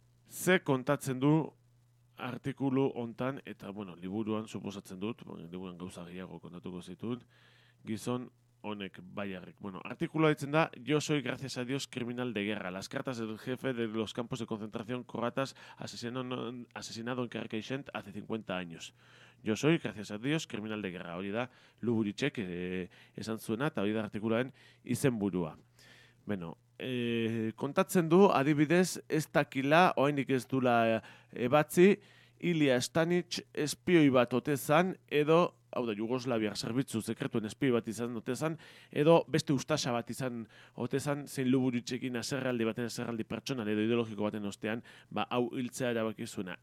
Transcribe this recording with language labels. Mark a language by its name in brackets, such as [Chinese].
[Basque] Ze kontatzen du artikulu hontan eta bueno, liburuan suposatzen dut, liburuan gauza gehiago kontatuko zituen gizon honek Baiarrik. Bueno, artikulua ditzen da [Spanish] Yo soy gracias a Dios criminal de guerra. Las cartas del jefe de los campos de concentración croatas asesinado en Karkaixen hace 50 años. Yo soy, gracias a Dios, criminal de guerra. [Basque] Hori da, Luburitzek esan zuena, eta hori da artikulaen izenburua. Bueno, kontatzen du, adibidez, ez dakila, oraindik ez dula ebatzi, Ilija Stanić espioi bat ote zan, edo, hau da, Jugoslaviar zerbitzu sekretuen espioi bat izan ote zan, edo beste ustasa bat izan ote zan, zein Luburitzekin aserraldi pertsonal edo ideologiko baten ostean, ba, hau hiltzea erabaki zuena.